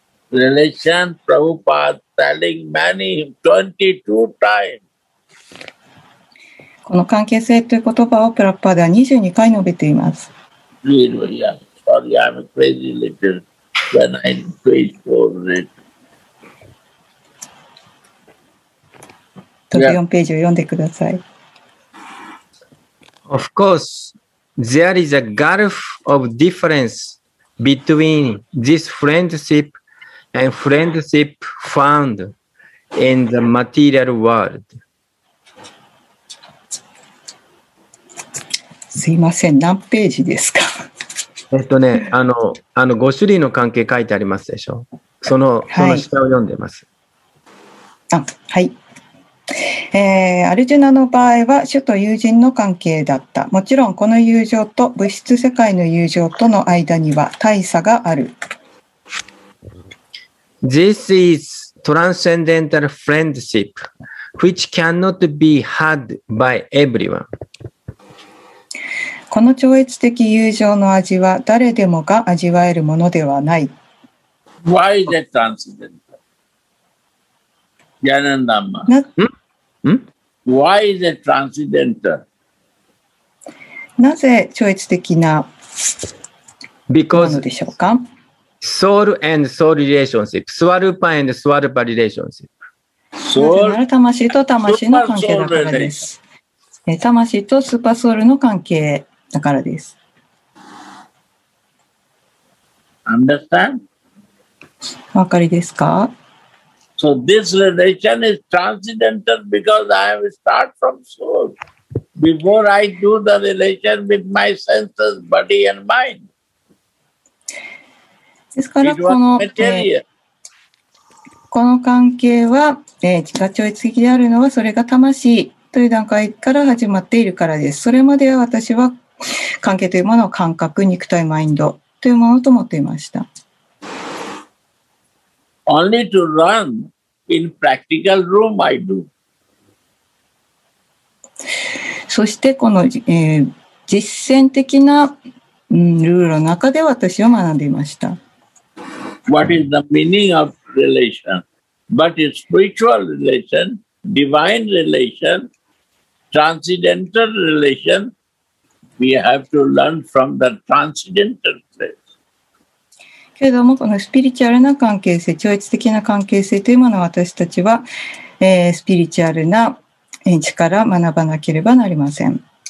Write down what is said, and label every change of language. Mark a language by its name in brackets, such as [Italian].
[English] Relation, Prabhupada telling many 22 times. [Japanese] この関係性という言葉をプラッパーでは22回述べています。 [English] Really, sorry, I'm crazy little when I preach for it Of course, there is a gulf of difference between this friendship and friendship found in the material world. [Japanese] すいません、何ページですか？ね、あの5種類の関係書いてありますでしょ。その、はい、その下を読んでます。あ、はい。アルジュナの場合は主と友人の関係だった。もちろんこの友情と物質世界の友情との間には大差がある。 [English] This is transcendental friendship which cannot be had by everyone. [Japanese] この超越的友情の味は誰でもが味わえるものではない。 [English] Why is that transcendental? Yanandamma. Why is it transcendental? [Japanese] なぜ超越的なものでしょうか。 [English] Because soul and soul relationship, swarupa and swarupa relationship. [Japanese] Soul, なぜなら魂と魂の関係だからです。魂とスーパーソウルの関係だからです。 [English] Understand? [Japanese] わかりですか。 [English] So this relation is transcendental because I start from soul. Before I do the relation with my senses, body and mind. [Japanese] ですからこの関係は、自我超越的であるのはそれが魂という段階から始まっているからです。それまでは私は関係というものを感覚、肉体、マインドというものと思っていました。 [English] Only to run. In practical room, I do. [Japanese] そしてこの、実践的な、ルールの中で私は学んでいました。 [English] What is the meaning of relation? What is spiritual relation, divine relation, transcendental relation? We have to learn from the transcendental place. [Japanese] けれどもこのスピリチュアルな関係性、超越的な関係性というものは私たちは、スピリチュアルな、一から学ばなければなりません。